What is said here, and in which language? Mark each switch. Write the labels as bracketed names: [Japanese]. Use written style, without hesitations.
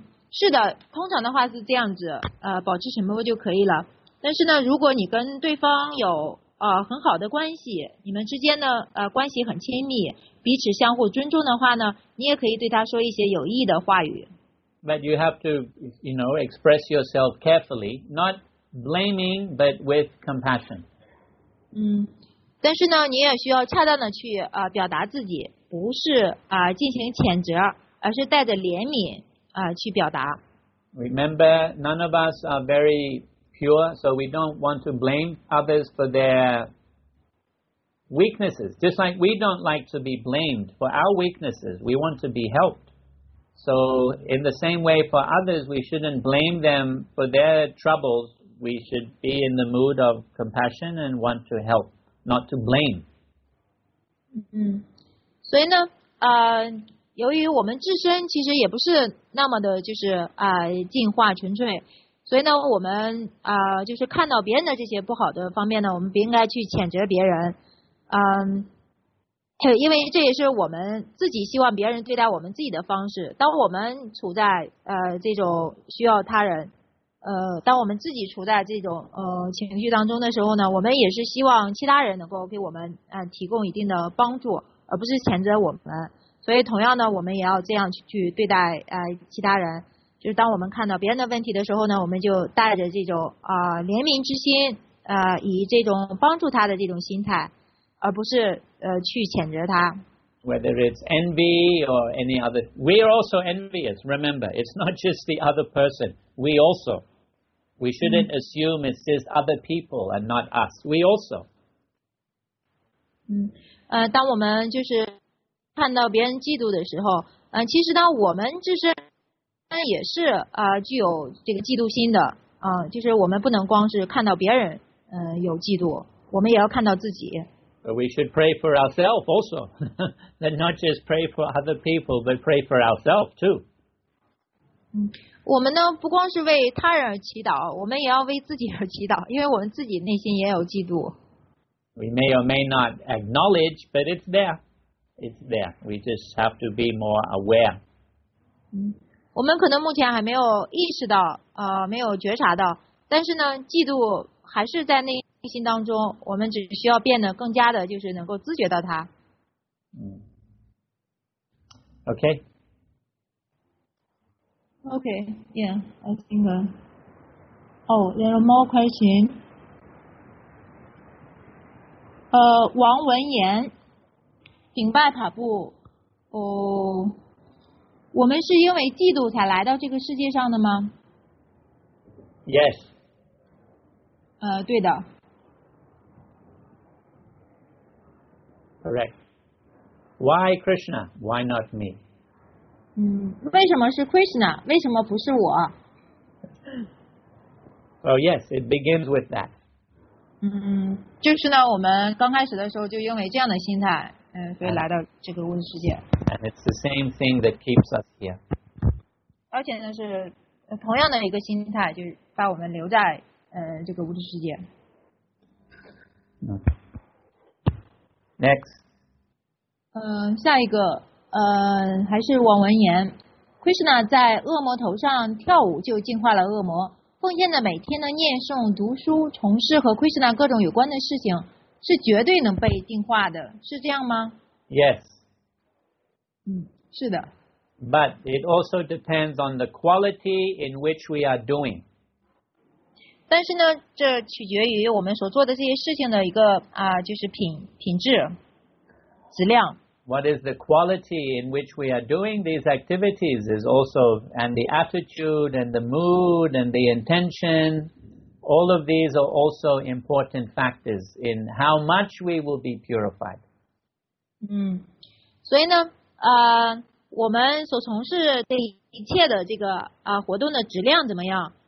[Chinese] 是的，通常的话是这样子，保持沉默就可以了。但是呢，如果你跟对方有很好的关系，你们之间呢关系很亲密，彼此相互尊重的话呢，你也可以对他说一些有益的话语。 [English] But you have to, you know, express yourself carefully, not blaming, but with compassion. [Chinese] 但是呢，你也需要恰当的去表达自己，不是进行谴责，而是带着怜悯去表达。 [English] Remember, none of us are very. Pure, so we don't want to blame others for their weaknesses. Just like we don't like to be blamed for our weaknesses, we want to be helped. So in the same way for others, we shouldn't blame them for their troubles. We should be in the mood of compassion and want to help, not to blame. [Chinese] 所以呢，由于我们自身其实也不是那么的，就是进化纯粹，所以呢，我们就是看到别人的这些不好的方面呢，我们不应该去谴责别人，因为这也是我们自己希望别人对待我们自己的方式。当我们处在这种需要他人，当我们自己处在这种情绪当中的时候呢，我们也是希望其他人能够给我们提供一定的帮助，而不是谴责我们。所以同样呢，我们也要这样去对待其他人。就是当我们看到别人的问题的时候呢，我们就带着这种怜悯之心，以这种帮助他的这种心态，而不是去谴责他。 [English] Whether it's envy or any other, we are also envious. Remember, it's not just the other person. We also. We shouldn't assume it's just other people and not us. We also. [Chinese] 当我们就是看到别人嫉妒的时候，其实呢，我们自身也是具有这个嫉妒心的，就是我们不能光是看到别人有嫉妒，我们也要看到自己。 [English] But we should pray for ourselves also. And not just pray for other people, but pray for ourselves too. [Chinese] 我们呢不光是为他人而祈祷，我们也要为自己而祈祷，因为我们自己内心也有嫉妒。 [English] We may or may not acknowledge, but it's there. It's there. We just have to be more aware. [Chinese] 我们可能目前还没有意识到，没有觉察到，但是呢，嫉妒还是在那。内心当中，我们只需要变得更加的，就是能够自觉到它。 [English] Okay. Okay. Yeah. I think. Oh, there are more questions. [Chinese] 王文言，顶拜塔布。哦，我们是因为嫉妒才来到这个世界上的吗 [English] ？Yes. [Chinese] 对的。 [English] Correct. Why Krishna? Why not me? [Chinese] 为什么是 Krishna? 为什么不是我？ [English] Oh yes, it begins with that. [Chinese] 就是呢，我们刚开始的时候就因为这样的心态，所以来到这个物质世界。 [English] And it's the same thing that keeps us here. [Chinese] 而且呢，是同样的一个心态，就把我们留在这个物质世界。 [English] Next. [Chinese] 下一个，还是王文言。Krishna 在恶魔头上跳舞就净化了恶魔。奉献的每天的念诵、读书、从事和 Krishna 各种有关的事情，是绝对能被净化的，是这样吗 [English] ？Yes. [Chinese] 是的。 [English] But it also depends on the quality in which we are doing. [Chinese] 但是呢，这取决于我们所做的这些事情的一个就是品质。质量。 [English] What is the quality in which we are doing these activities is also, and the attitude and the mood and the intention, all of these are also important factors in how much we will be purified. [Chinese] 所以呢，我们所从事的一切的这个活动的质量怎么样？